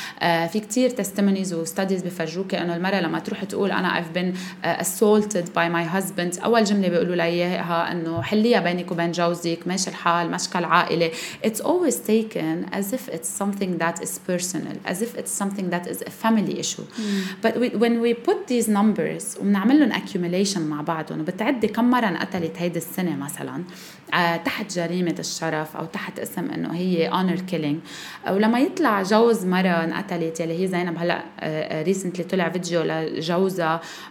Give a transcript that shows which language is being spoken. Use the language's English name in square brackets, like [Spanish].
[Arabic] في كتير [English] testimonies [Arabic] و [English] studies [Arabic] بفرجوك أنه المرأة لما تروح تقول أنا [English] I've been assaulted by my husband, [Arabic] أول جملة بيقولوا ليها أنه حليها بينك وبين جوزك, ماشي الحال, مشكل عائلة. [English] It's always taken as if it's something that is personal, as if it's something that is a family issue. But when we put these numbers [Arabic] ومنعملهم accumulation مع بعضهم وبتعدي كم مرة قتلت هيدا السنة مثلاً تحت جريمة الشرف أو تحت اسم أنه هي [English] honor killing, [Arabic] ولما يطلع جوز مرة انقتلت يلي هي زينب, هلأ ريسنتلي طلع فيديو لجوزها